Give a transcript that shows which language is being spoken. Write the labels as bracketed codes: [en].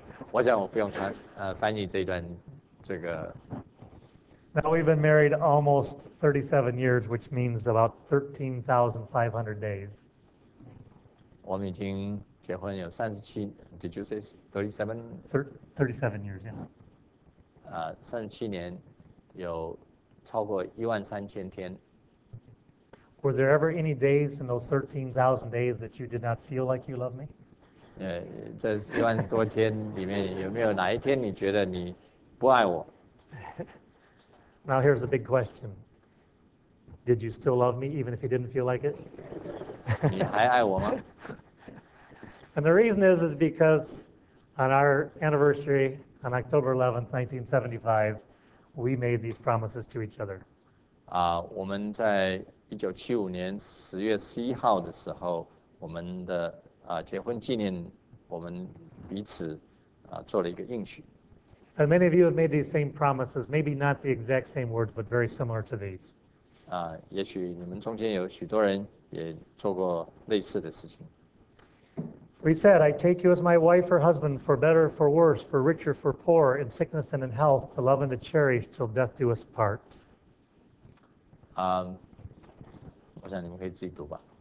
[zh] 我想我不用翻译这一段这个。 [en] Now we've been married almost 37 years, which means about 13,500 days. [zh] 我们已经结婚有 [en] did you say 37? 37 years, yeah. [zh] 37年有超过13,000天。 [en] Were there ever any days in those 13,000 days that you did not feel like you loved me? [zh] 这一万多天里面有没有哪一天你觉得你不爱我？ [en] Now here's the big question. Did you still love me even if you didn't feel like it? [zh] 你还爱我吗？ [en] And the reason is because on our anniversary, on October 11th, 1975, we made these promises to each other. [zh] 我们在1975年10月11号的时候，我们的结婚纪念，我们彼此做了一个应许。 [en] And many of you have made these same promises, maybe not the exact same words, but very similar to these. [zh] 也许你们中间有许多人也做过类似的事情。 [en] We said, I take you as my wife or husband, for better, for worse, for richer, for poorer, in sickness and in health, to love and to cherish, till death do us part. [zh] 我想你们可以自己读吧。